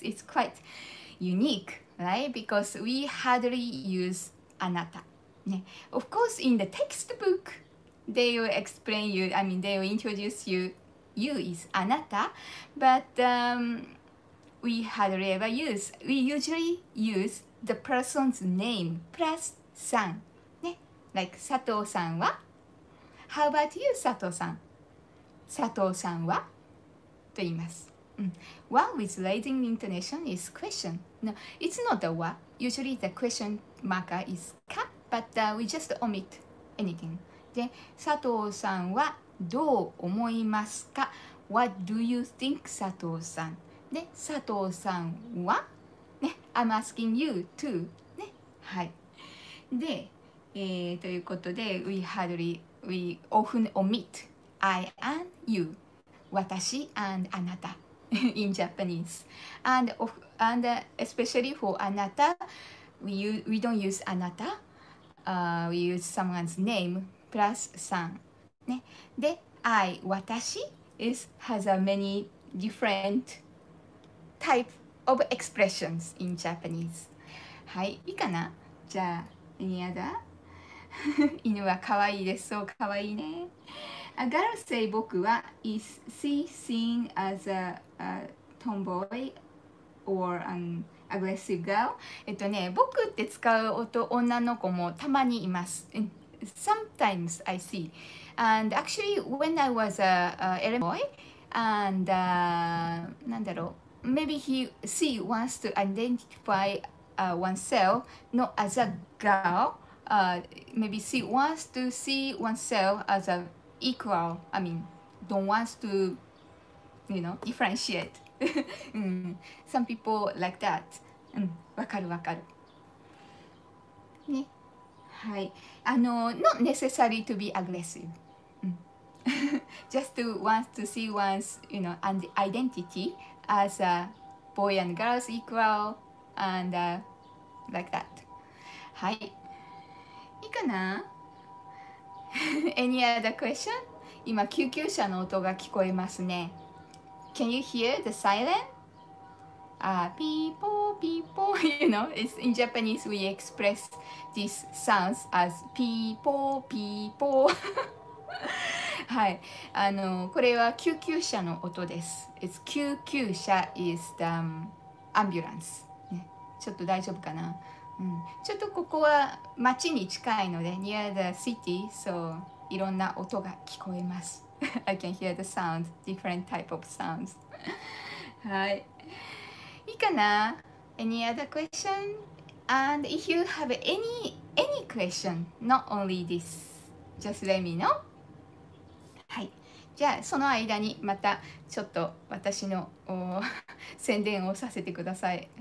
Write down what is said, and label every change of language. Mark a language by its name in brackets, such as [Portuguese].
[English] It's quite unique. Right? Because we hardly use あなた、ね、Of course, in the textbook, they will explain you, I mean, they will introduce you, you is あなた, but、we hardly ever use, we usually use the person's name plus さん、ね、like [Japanese] 佐藤さんは [English] How about you, [Japanese] 佐藤さん佐藤さんはと言います。 [English] うん、Why with raising intonation is question. No, it's not a wa. Usually the question marker is ka, but、we just omit anything. [Japanese] で、佐藤さんはどう思いますか? [English] What do you think, 佐藤さん? [Japanese] で、佐藤さんは? [English] ね、I'm asking you too. ね、はい。 [Japanese] で、ということで、 [English] we often omit I and you. 私 and あなた。in Japanese and, of, and especially for anata we don't use anata、we use someone's name plus san、ね、で I 私 is has a many different type of expressions in Japanese [Japanese] はいいいかなじゃあ [English] any other [Japanese] 犬は可愛いですそう可愛いね [English] I gotta say, 僕は is she seen as a tomboy or an aggressive girl? [Japanese] ね、僕って使う女の子もたまにいます。 [English] Sometimes I see. And actually, when I was a elementary boy, and, [Japanese] なんだろう、 [English] maybe she wants to identify oneself not as a girl, maybe she wants to see oneself as aequal, I mean, don't want to, you know, differentiate. [Japanese] 、うん、 [English] Some people like that. [Japanese] うん、わかるわかる。ね。はい。 [English] あの、not necessary to be aggressive.、うん、Just to want to see one's, you know, and identity as a boy and girl's equal and、like that. はい。 [Japanese] いいかな [English] Any other question? [Japanese] 今救急車の音が聞こえますね。 [English] Can you hear the siren? People, people, you know, it's in Japanese we express these sounds as people, people. [Japanese] はい、これは救急車の音です。 [English] It's 救急車 is the ambulance、 [Japanese] ね、ちょっと大丈夫かな、うん、ちょっとここは町に近いので [English] near the city、 so [Japanese] いろんな音が聞こえます。 [English] I can hear the sound, different type of sounds. [Japanese] はい、いいかな。 [English] Any other question? And if you have any question, not only this, just let me know. [Japanese] はい、じゃあその間にまたちょっと私の宣伝をさせてください。